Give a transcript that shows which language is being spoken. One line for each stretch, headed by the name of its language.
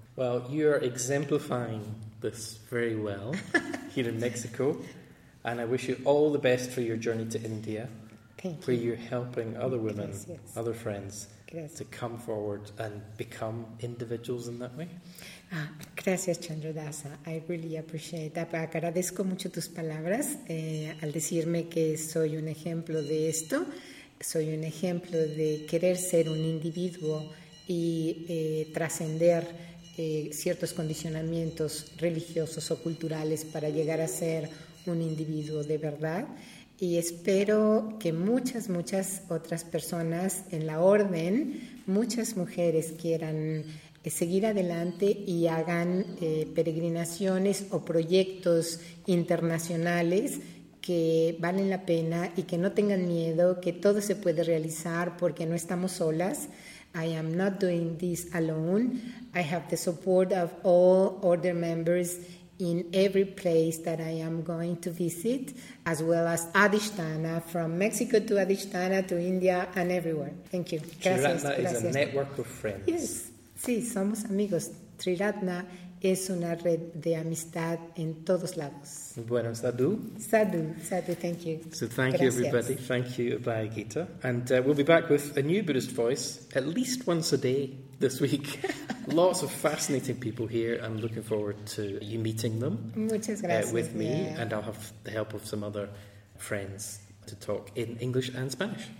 English: Well, you're exemplifying this very well here in Mexico, and I wish you all the best for your journey to India. Thank where you. You're helping other women, yes, yes. Other friends,
Spanish: gracias.
English: To come forward and become individuals in that way.
Spanish: Ah, gracias, Chandradasa.
English: I really appreciate that.
Spanish: Agradezco mucho tus palabras al decirme que soy un ejemplo de esto. Soy un ejemplo de querer ser un individuo y trascender ciertos condicionamientos religiosos o culturales para llegar a ser un individuo de verdad. Y espero que muchas, muchas otras personas en la orden, muchas mujeres quieran seguir adelante y hagan peregrinaciones o proyectos internacionales que valen la pena y que no tengan miedo, que todo se puede realizar porque no estamos solas.
English: I am not doing this alone. I have the support of all order members in every place that I am going to visit, as well as Adishtana, from Mexico to Adishtana to India and everywhere. Thank you.
Spanish: Gracias.
English: Triratna is a network of friends.
Spanish: Yes, sí, somos amigos. Triratna es una red de amistad en todos lados. Bueno, sadhu.
English: Sadhu, sadhu, thank you. So thank gracias. You, everybody. Thank you, Abhaya Gita. And we'll be back with a new Buddhist voice at least once a day this week. Lots of fascinating people here. I'm looking forward to you meeting them.
Spanish: Muchas gracias.
English: With me, yeah. And I'll have the help of some other friends to talk in English and Spanish.